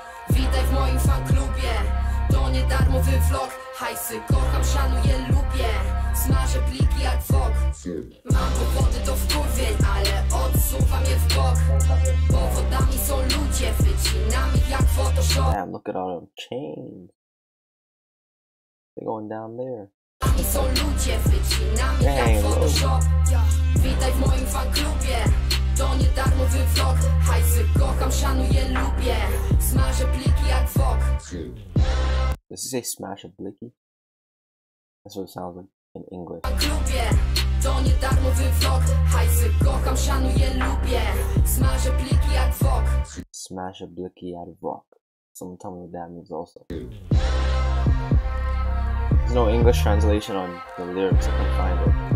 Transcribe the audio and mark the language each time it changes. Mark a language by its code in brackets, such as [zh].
[pl] Witaj w moim fan klubie. To nie darmowy vlog. Hajsy kocham, szanuję, lubię. Smażę pliki jak wok. Mam powody do wkurwień, ale odsuwam je w bok. Powodami są ludzie, wycinam ich jak Photoshop. [en] Damn, look at all them chains. They're going down there. [pl] Powodami są ludzie, wycinam ich jak Photoshop. Witaj w moim fan klubie. To nie darmowy vlog. Hajsy kocham, szanuję, lubię. Smażę pliki jak wok. [en] Does he say smash a blicky? That's what it sounds like in English. [pl] Klubie, to nie darmowy vlog. Hajsy kocham, szanuję, lubię. [en] Smash a blicky [pl] jak wok. [en] Smash a blicky [pl] jak wok. [en] Someone tell me what that means also. There's no English translation on the lyrics, I can't find it.